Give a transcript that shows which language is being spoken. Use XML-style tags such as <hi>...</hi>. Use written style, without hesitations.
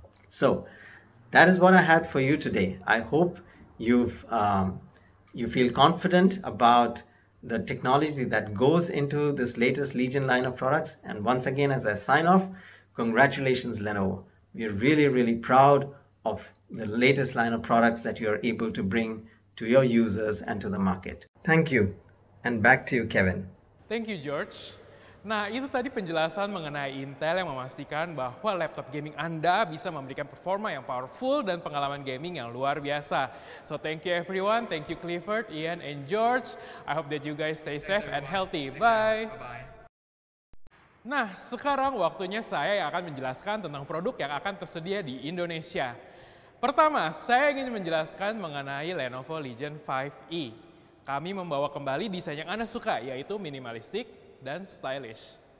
<en>So that is what I had for you today. I hope you feel confident about the technology that goes into this latest Legion line of products. And once again, as I sign off, congratulations, Lenovo. We're really, really proud of the latest line of products that you're able to bring to your users and to the market. Thank you. And back to you, Kevin. Thank you, George.</en> <id>Nah, itu tadi penjelasan mengenai Intel yang memastikan bahwa laptop gaming Anda bisa memberikan performa yang powerful dan pengalaman gaming yang luar biasa.</id> <en>So, thank you everyone. Thank you Clifford, Ian, and George. I hope that you guys stay safe and healthy. Bye.</en> <id>Nah, sekarang waktunya saya yang akan menjelaskan tentang produk yang akan tersedia di Indonesia. Pertama, saya ingin menjelaskan mengenai Lenovo Legion 5e. Kami membawa kembali desain yang Anda suka, yaitu minimalistik dan stylish.</id>